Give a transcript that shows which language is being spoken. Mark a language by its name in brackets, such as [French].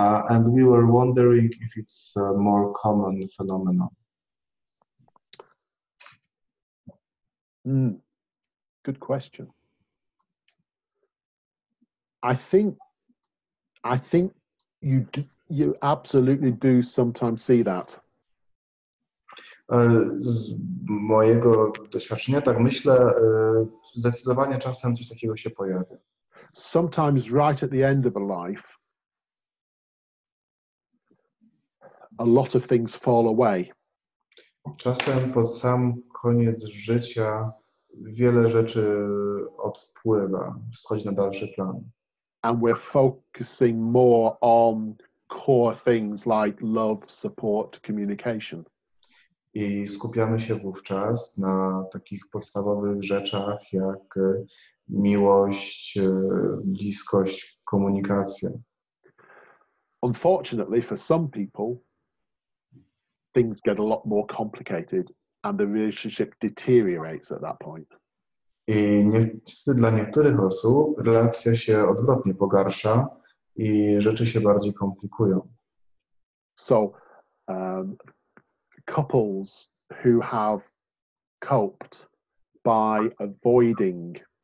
[English] And we were wondering if it's a more common phenomenon. Good question. I think you absolutely do sometimes see that. [Polish] Z mojego doświadczenia, tak myślę, zdecydowanie czasem coś takiego się pojawia. [English] Sometimes right at the end of a life, a lot of things fall away. [Polish] Czasem pod sam koniec życia wiele rzeczy odpływa, schodzi na dalszy plan. [English] And we're focusing more on core things like love, support, communication. [Polish] I skupiamy się wówczas na takich podstawowych rzeczach jak miłość, bliskość, komunikacja. [English] Unfortunately for some people, things get a lot more complicated and the relationship deteriorates at that point. [Polish] I niestety dla niektórych osób relacja się odwrotnie pogarsza i rzeczy się bardziej komplikują. [English] So, couples who have coped by avoiding